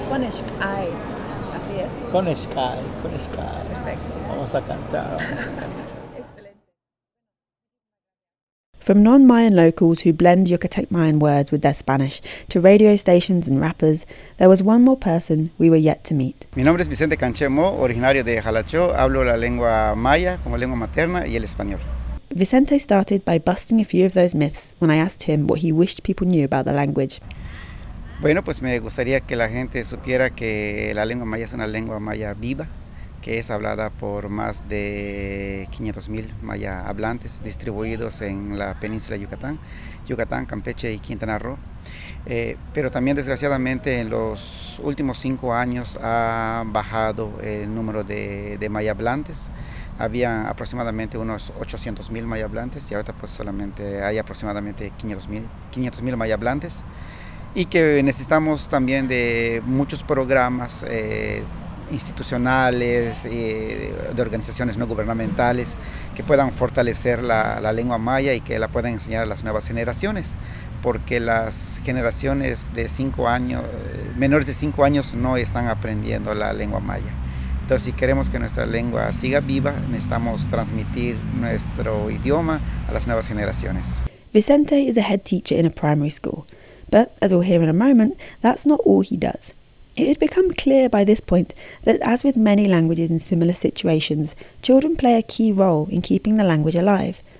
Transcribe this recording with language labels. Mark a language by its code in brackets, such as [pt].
[yua] Konishk ay. [es] Así es. [yua] Konishk ay. Konishk ay. [es] Perfecto. Vamos a cantar. [en] From non-Mayan locals who blend Yucatec Mayan words with their Spanish to radio stations and rappers, there was one more person we were yet to meet. [es] Mi nombre es Vicente Canchemo, originario de Jalacho. Hablo la lengua maya como lengua materna y el español. [en] Vicente started by busting a few of those myths when I asked him what he wished people knew about the language. [es] Bueno, pues me gustaría que la gente supiera que la lengua maya es una lengua maya viva, que es hablada por más de 500,000 maya hablantes distribuidos en la península de Yucatán, Campeche y Quintana Roo. Pero también desgraciadamente en los últimos 5 años ha bajado el número de maya hablantes. Había aproximadamente unos 800,000 maya hablantes y ahora pues solamente hay aproximadamente 500,000 maya hablantes. Y que necesitamos también de muchos programas institucionales, de organizaciones no gubernamentales que puedan fortalecer la lengua maya y que la puedan enseñar a las nuevas generaciones, porque las generaciones de 5 años, menores de 5 años, no están aprendiendo la lengua maya. Entonces, si queremos que nuestra lengua siga viva, necesitamos transmitir nuestro idioma a las nuevas generaciones. [en] Vicente is a head teacher in a primary school, but as we'll hear in a moment, that's not all he does. It had become clear by this point that, as with many languages in similar situations, children play a key role in keeping the language alive.